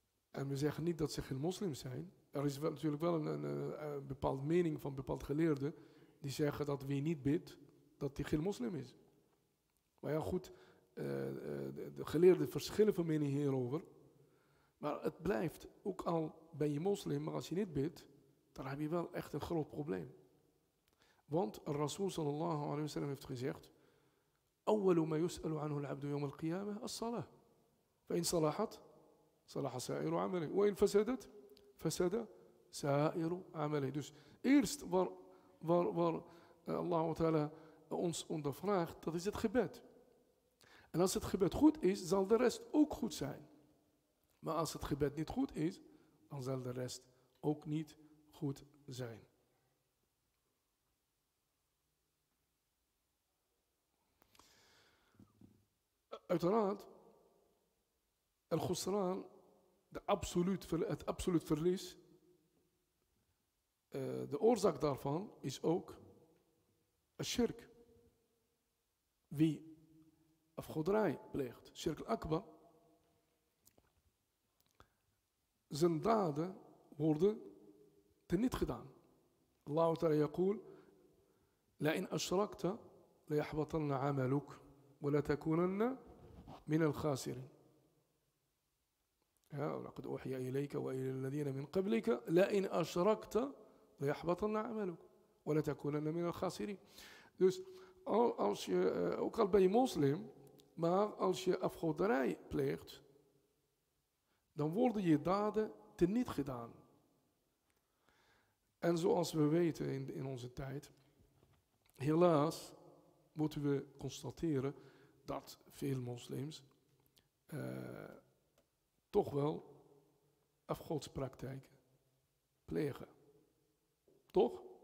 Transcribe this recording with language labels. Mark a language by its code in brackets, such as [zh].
[nl] En we zeggen niet dat ze geen moslim zijn. Er is wel, natuurlijk wel een bepaalde mening van bepaald geleerden die zeggen dat wie niet bidt, dat die geen moslim is. Maar ja, goed, de geleerden verschillen van mening hierover. Maar het blijft, ook al ben je moslim, maar als je niet bidt, dan heb je wel echt een groot probleem. Want [ar] Rasul sallallahu alayhi wa sallam [nl] heeft gezegd, [ar] أول ما يسأل عنه العبد يوم القيامة الصلاة فإن صلحت صلح سائر عمله وإن فسدت فسد سائر عمله. [nl] Dus eerst waar Allah Ta'ala ons ondervraagt, dat is het gebed. En als het gebed goed is, zal de rest ook goed zijn. Maar als het gebed niet goed is, dan zal de rest ook niet goed zijn. Uiteraard, al-Khusran, het absoluut verlies, de oorzaak daarvan is ook al-Shirk. Wie afgoderij pleegt, Shirk al-Akbar, zijn daden worden teniet gedaan. [ar] Allah Ta'ala yaqul, la in ashrakta la yahbatanna amaluk wa la takunanna من الخاسرين. يا لقد أوحي إليك وإلى الذين من قبلك لئن أشركت ليحبطن عملك ولا تكونن من الخاسرين. [nl] Dus als je ook al ben je moslim, maar als je afgoderij pleegt, dan worden je daden teniet gedaan. En zoals we weten in onze tijd, helaas moeten we constateren dat veel moslims toch wel afgodspraktijken plegen. Toch?